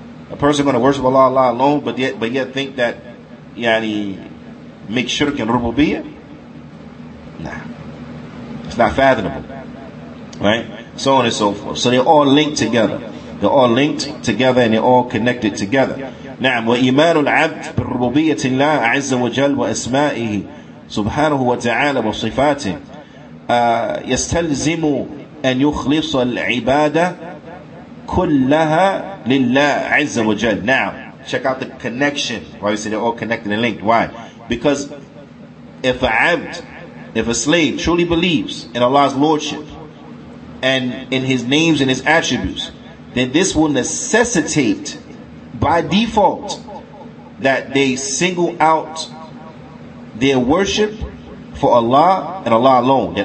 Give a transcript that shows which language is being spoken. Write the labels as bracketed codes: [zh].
[en] A person going to worship Allah, Allah alone, but yet think that yani make shirk and rububiyya? Nah. It's not fathomable. Right? So on and so forth. So they're all linked together. They're all linked together and they're all connected together. [ar] نعم وإيمان العبد بربوبية الله عز وجل وأسمائه سبحانه وتعالى وصفاته يستلزم أن يخلص العبادة كلها لله عز وجل. [en] Now, check out the connection. Why we say they're all connected and linked. Why? Because if a abd, if a slave truly believes in Allah's lordship and in his names and his attributes, then this will necessitate by default that they single out their worship for Allah and Allah alone.